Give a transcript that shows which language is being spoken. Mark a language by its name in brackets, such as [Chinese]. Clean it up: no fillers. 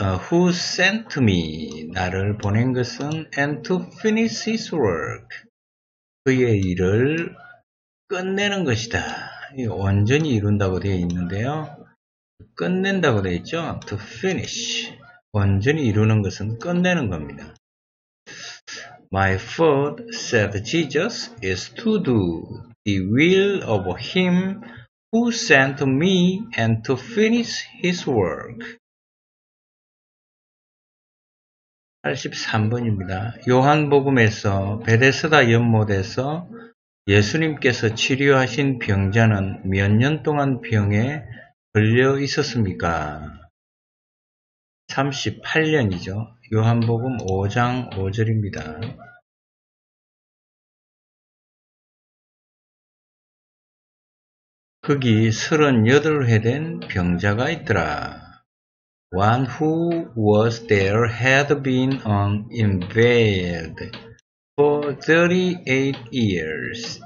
[English] Who sent me, [Korean] 나를 보낸 것은, [English] and to finish his work, [Korean] 그의 일을 끝내는 것이다. 완전히 이룬다고 되어 있는데요. 끝낸다고 되어 있죠. To finish. 완전히 이루는 것은 끝내는 겁니다. [English] My foot, said Jesus, is to do the will of him who sent me and to finish his work. [Korean] 83번입니다. 요한복음에서 베데스다 연못에서 예수님께서 치료하신 병자는 몇 년 동안 병에 걸려 있었습니까? 38년이죠. 요한복음 5장 5절입니다. 거기 38회 된 병자가 있더라. [English] One who was there had been an invalid for 38 years.